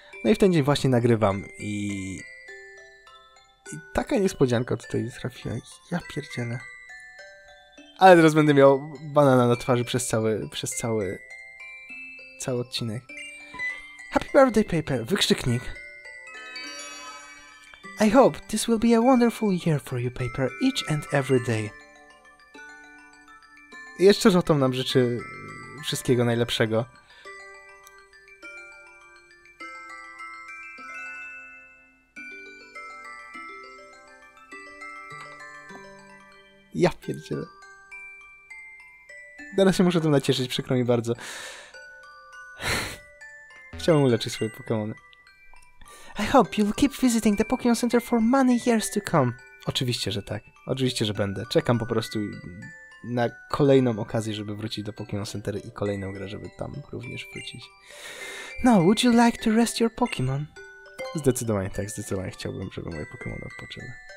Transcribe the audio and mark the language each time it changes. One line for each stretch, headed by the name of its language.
Polish: No i w ten dzień właśnie nagrywam i taka niespodzianka tutaj trafiła. Ja pierdzielę. Ale teraz będę miał banana na twarzy przez cały odcinek.
English: Happy birthday, Paper, wykrzyknik. I hope this will be a wonderful year for you, Paper, each and every day.
Polish: Jeszcze Rotom nam życzy wszystkiego najlepszego. Ja pierdzielę. Teraz się muszę tym nacieszyć, przykro mi bardzo. Chciałbym uleczyć swoje Pokémony.
English: I hope you'll keep visiting the Pokémon Center for many years to come.
Polish: Oczywiście, że tak. Oczywiście, że będę. Czekam po prostu na kolejną okazję, żeby wrócić do Pokémon Center i kolejną grę, żeby tam również wrócić.
English: No, would you like to rest your Pokémon?
Polish: Zdecydowanie tak, zdecydowanie chciałbym, żeby moje Pokémony odpoczęły.